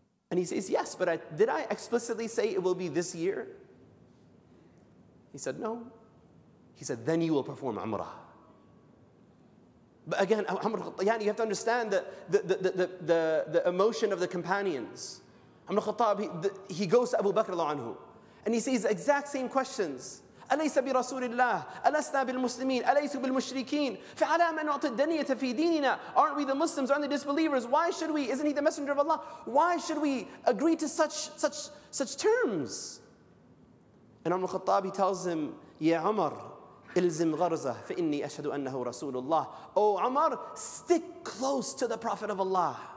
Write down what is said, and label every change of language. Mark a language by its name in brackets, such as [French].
[English] And he says, yes, but did I explicitly say it will be this year? He said, no. He said, then you will perform Umrah. But again, Umar al-Khattab, you have to understand the emotion of the companions. Umar al-Khattab, he goes to Abu Bakr al-Anhu, and he says the exact same questions. [Arabic] أَلَيْسَ بِرَسُولِ اللَّهِ أَلَسْنَا بِالْمُسْلِمِينَ أَلَيْسُ بِالْمُشْرِكِينَ فَعَلَى مَنْ نُعْطِ الدَّنِيَةَ فِي دِينِنَا [English] Aren't we the Muslims? Aren't the disbelievers? Why should we? Isn't he the Messenger of Allah? Why should we agree to such terms? And Umar al-Khattab, he tells him, [Arabic] يَا عُمَرْ إِلْزِمْ غَرْزَهُ فَإِنِّي أَشْهَدُ أَنَّهُ رَسُولُ اللَّهِ [English] Oh Umar, stick close to the Prophet of Allah.